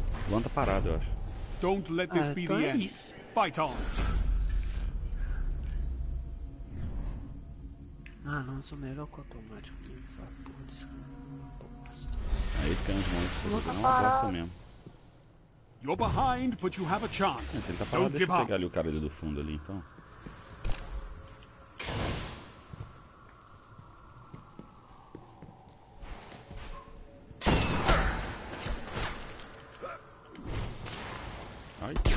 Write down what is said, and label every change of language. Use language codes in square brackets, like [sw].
[pt] Luan tá parado, eu acho. [en] Don't let this be the end. Fight on! [pt] Ah, não, sou melhor com o automático aqui, sabe? Porra, descansa. Aí, descansa muito, você não gosta mesmo. [en] You're behind, but you have a chance. [pt] Ele tá parado, deixa eu pegar ali o cara ali do fundo ali, então. Ai.